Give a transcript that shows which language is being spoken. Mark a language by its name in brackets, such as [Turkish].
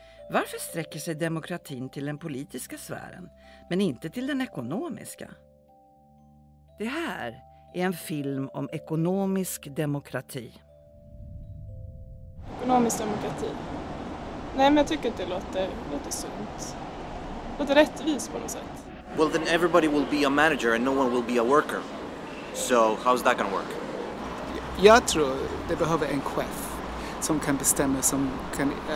[Swedish] Varför sträcker sig demokratin till den politiska sfären, men inte till den ekonomiska? Det här är en film om ekonomisk demokrati. Ekonomisk demokrati? Nej, men jag tycker att det låter sunt. Det låter rättvist på något sätt. [English] Well, then everybody will be a manager and no one will be a worker. So, how's that gonna work? [Swedish] Jag tror det behöver en chef som kan bestämma, som kan...